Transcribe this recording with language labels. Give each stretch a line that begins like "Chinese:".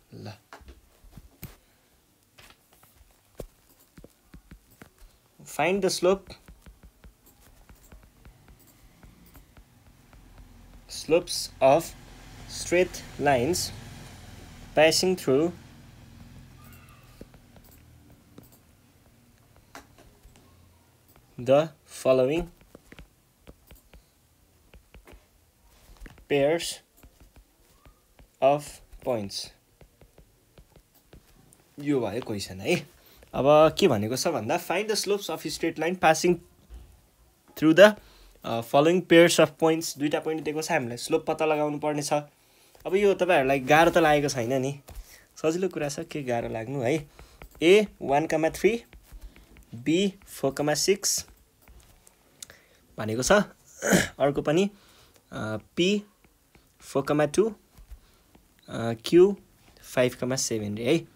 English: ल, find the slope slopes of straight lines passing through the following pairs of points.
Nepali: यो भयो question है. अब के भनेको छ भन्दा,
English: find the slopes of a straight line passing through the following pairs of points.
Nepali: दुईवटा पोइन्ट दिएको छ हामीलाई, स्लोप पत्ता लगाउनु पर्नेछ. अब यो तपाईँहरूलाई गाह्रो त लागेको छैन नि, सजिलो कुरा छ, के गाह्रो लाग्नु है. ए 1.3, बी 4.6 भनेको छ, अर्को पनि पी 4.2, क्यू 5.7 रे है.